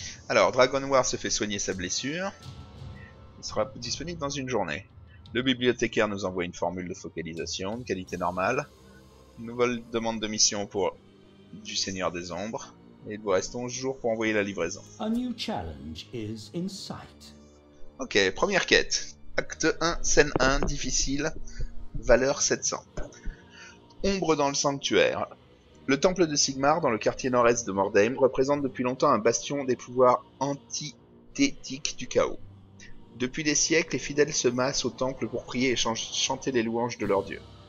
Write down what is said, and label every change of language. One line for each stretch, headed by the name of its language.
French: Alors, Dragon War se fait soigner sa blessure. Il sera disponible dans une journée. Le bibliothécaire nous envoie une formule de focalisation de qualité normale. Nouvelle demande de mission pour du Seigneur des Ombres. Et il vous reste 11 jours pour envoyer la livraison.
English: A new challenge is in sight.
French: Ok, première quête. Acte 1, scène 1, difficile, valeur 700. Ombre dans le sanctuaire. Le temple de Sigmar, dans le quartier nord-est de Mordheim, représente depuis longtemps un bastion des pouvoirs antithétiques du chaos. Depuis des siècles, les fidèles se massent au temple pour prier et chanter les louanges de leur dieu.